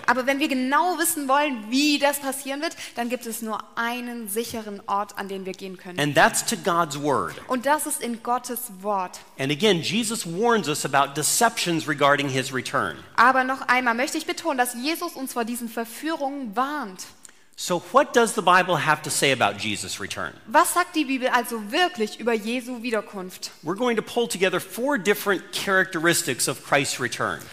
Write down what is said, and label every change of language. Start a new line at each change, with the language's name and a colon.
German: Aber wenn wir genau wissen wollen, wie das passieren wird, dann gibt es nur einen sicheren Ort, an den wir gehen können.
English: And that's to God's word.
German: Und das ist in Gottes Wort.
English: And again, Jesus warns us about deceptions regarding his return.
German: Aber noch einmal möchte ich betonen, dass Jesus uns vor diesen Verführungen warnt.
English: So what does the Bible have to say about Jesus' return?
German: Was sagt die Bibel also wirklich über Jesu Wiederkunft?
English: We're going to pull together four different characteristics of Christ's return.